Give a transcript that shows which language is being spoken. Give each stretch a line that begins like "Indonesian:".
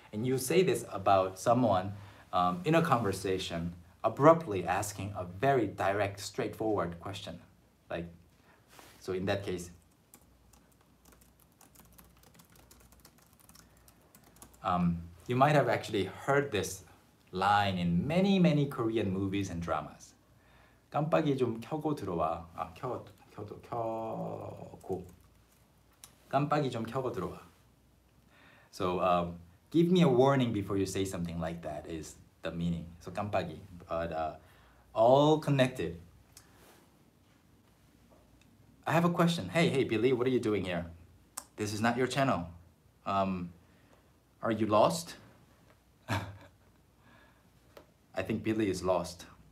English: And you say this about someone in a conversation, abruptly asking a very direct, straightforward question. Like, so in that case, you might have actually heard this line in many Korean movies and dramas.
Korean: 깜빡이 좀 켜고 들어와. 아, 켜고. 깜빡이 좀 켜고 들어와. So,
English: give me a warning before you say something like that is the meaning. So 깜빡이. But all connected. I have a question. Hey, Billy, what are you doing here? This is not your channel. Are you lost? I think Billy is lost.